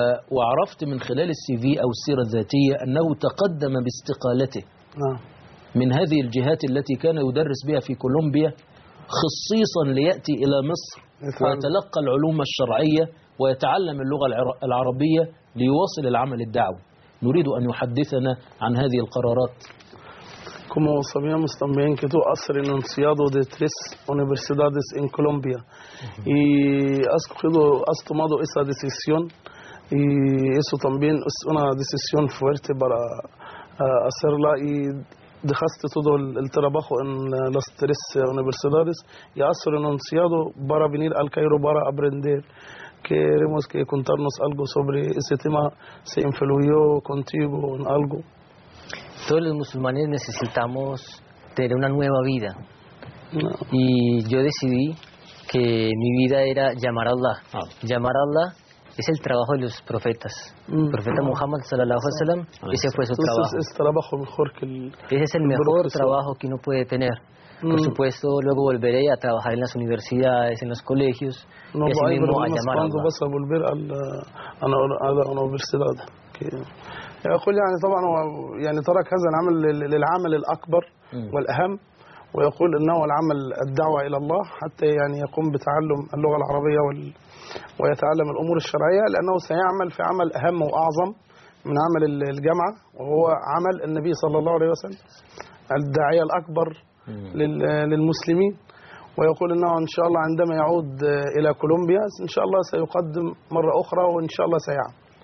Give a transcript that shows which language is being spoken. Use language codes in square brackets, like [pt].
[ar] وعرفت من خلال CV أو السيرة الذاتية أنه تقدم باستقالته من هذه الجهات التي كان يدرس بها في كولومبيا خصيصا ليأتي إلى مصر ويتلقى العلوم الشرعية ويتعلم اللغة العربية ليواصل العمل الدعوي نريد أن يحدثنا عن هذه القرارات [es] كما sabíamos también que tu has renunciado de 3 universidades en Colombia y has tomado esa decisión y eso también es una decisión fuerte para hacerla y dejaste todo el trabajo en las 3 universidades y has renunciado para venir al Cairo para aprender Queremos que contarnos algo sobre ese tema, se influyó contigo en algo. Todos los musulmanes necesitamos tener una nueva vida. No. Y yo decidí que mi vida era llamar a Allah. Llamar a Allah es el trabajo de los profetas. El profeta Muhammad, sallallahu alayhi wa sallam, ese fue su Entonces Es trabajo mejor que el, ese es el mejor trabajo que uno puede tener. Por supuesto, luego volveré a trabajar en las universidades, en los colegios, no, y así mismo a llamar cuando vas a volver a la universidad. [ar] يقول يعني طبعا يعني ترك هذا العمل للعمل الأكبر والأهم ويقول إنه العمل الدعوة إلى الله حتى يعني يقوم بتعلم اللغة العربية ويتعلم الأمور الشرعية لأنه سيعمل في عمل أهم وأعظم من عمل الجامعة وهو عمل النبي صلى الله عليه وسلم الداعية الأكبر للمسلمين ويقول انه ان شاء الله عندما يعود الى كولومبيا ان شاء الله سيقدم مرة اخرى وان شاء الله سيعمل